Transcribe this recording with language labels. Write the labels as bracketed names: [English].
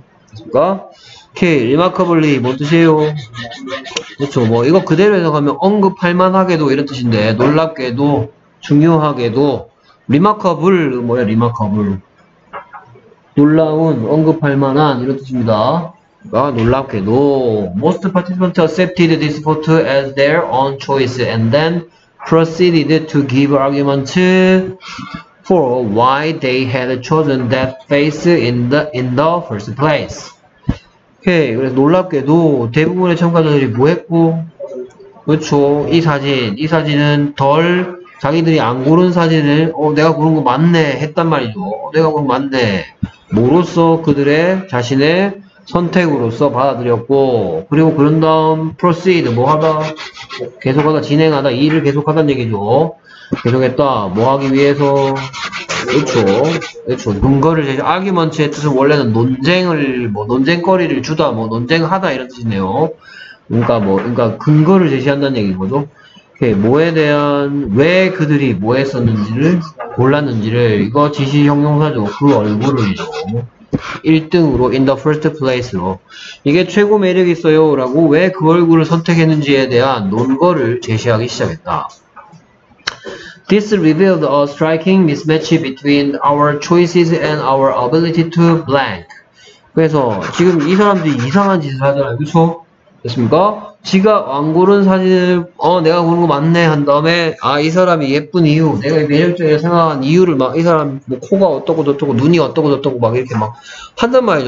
[Korean] 됐습니까? 오케이. Remarkably 뭐 뜻이에요? 그렇죠. 뭐 이거 그대로 해석하면 언급할만하게도 이런 뜻인데 놀랍게도 중요하게도 remarkable, 뭐야, remarkable. 놀라운, 언급할 만한, 이런 뜻입니다. 아, 놀랍게도. [English] Most participants accepted this photo as their own choice and then proceeded to give arguments for why they had chosen that face in the first place. [Korean] Okay, 그래서 놀랍게도 대부분의 참가자들이 뭐 했고, 그렇죠. 이 사진은 덜 자기들이 안 고른 사진을 내가 고른 거 맞네 했단 말이죠. 내가 고른 거 맞네. 뭐로써 그들의 자신의 선택으로서 받아들였고, 그리고 그런 다음 proceed 뭐 하다, 계속하다, 진행하다, 일을 계속하다는 얘기죠. 계속했다, 뭐 하기 위해서. 그렇죠. 근거를 제시, 아규먼트의 뜻은 원래는 논쟁을, 뭐 논쟁거리를 주다, 뭐 논쟁하다 이런 뜻이네요. 그러니까 뭐, 그러니까 근거를 제시한다는 얘기죠. 뭐에 대한, 왜 그들이 뭐 했었는지를, 골랐는지를, 이거 지시 형용사죠. 그 얼굴을요. 1등으로, [English] in the first place [Korean] 로. 이게 최고 매력 있어요. 라고, 왜 그 얼굴을 선택했는지에 대한 논거를 제시하기 시작했다. [English] This revealed a striking mismatch between our choices and our ability to blank. [Korean] 그래서, 지금 이 사람들이 이상한 짓을 하잖아요. 그쵸? 됐습니까? 지가 안 고른 사진을 내가 고른 거 맞네 한 다음에 아 이 사람이 예쁜 이유 내가 매력적이라 생각한 이유를 막 이 사람 뭐 코가 어떻고 저렇고 눈이 어떻고 저렇고 막 이렇게 막 한단 말이죠.